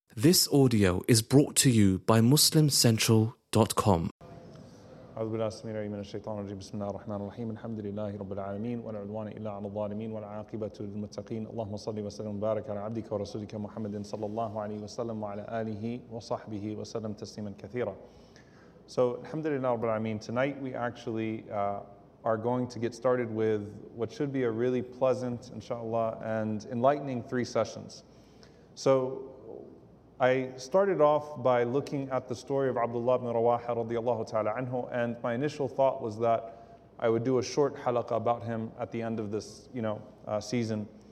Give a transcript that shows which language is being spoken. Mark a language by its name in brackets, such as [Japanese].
[English] This audio is brought to you by MuslimCentral.com. [Arabic] أعوذ بالله السميع العليم من الشيطان الرجيم بسم الله الرحمن الرحيم الحمد لله رب العالمين ولا عدوان إلا على الظالمين والعاقبة للمتقين اللهم صل وسلم وبارك على عبدك ورسولك محمد صلى الله عليه وسلم وعلى آله وصحبه وسلم تسليما كثيرا. So الحمد لله رب العالمين. [English] Tonight we actually are going to get started with what should be a really pleasant, inshallah, and enlightening three sessions. So I started off by looking at the story of Abdullah ibn Rawaha radiallahu ta'ala anhu, and my initial thought was that I would do a short halaqah about him at the end of this, season.